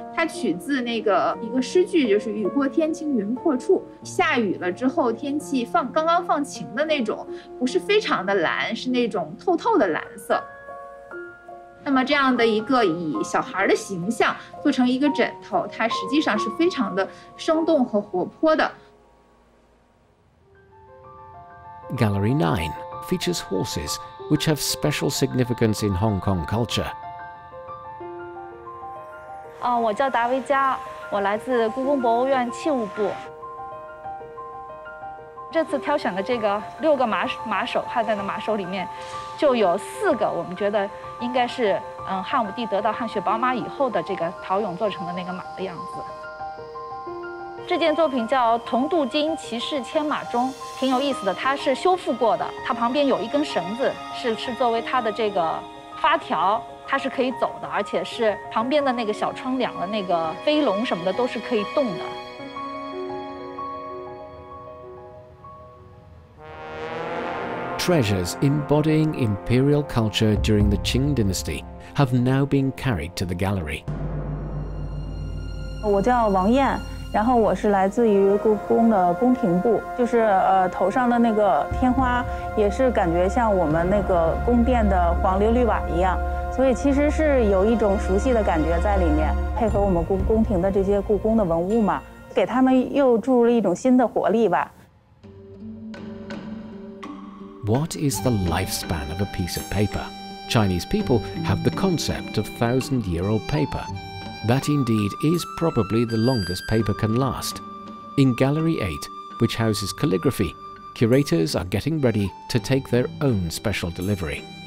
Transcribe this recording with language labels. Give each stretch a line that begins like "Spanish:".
Chinese: 它取自那个一个诗句，就是"雨过天晴云破处"，下雨了之后天气刚刚放晴的那种，不是非常的蓝，是那种透透的蓝色。那么这样的一个以小孩的形象做成一个枕头，它实际上是非常的生动和活泼的。
English: Gallery 9. Features horses, which have special significance in Hong Kong culture.
Chinese: 我叫达维嘉，我来自故宫博物院器物部。这次挑选的这个6个马首，汉代的马首里面，就有4个，我们觉得应该是汉武帝得到汗血宝马以后的这个陶俑做成的那个马的样子。这件作品叫《铜镀金骑士牵马钟》，挺有意思的。它是修复过的，它旁边有一根绳子，是作为它的这个发条，它是可以走的，而且是旁边的那个小窗梁的那个飞龙什么的都是可以动的。
English: Treasures embodying imperial culture during the Qing Dynasty have now been carried to the gallery.
Chinese: 我叫王燕。然后我是来自于故宫的宫廷部，就是头上的那个天花也是感觉像我们那个宫殿的黄琉璃瓦一样，所以其实是有一种熟悉的感觉在里面，配合我们宫廷的这些故宫的文物嘛，给他们又注入了一种新的活力吧。
English: What is the lifespan of a piece of paper? Chinese people have the concept of 1,000-year-old paper. That indeed is probably the longest paper can last. In Gallery 8, which houses calligraphy, curators are getting ready to take their own special delivery.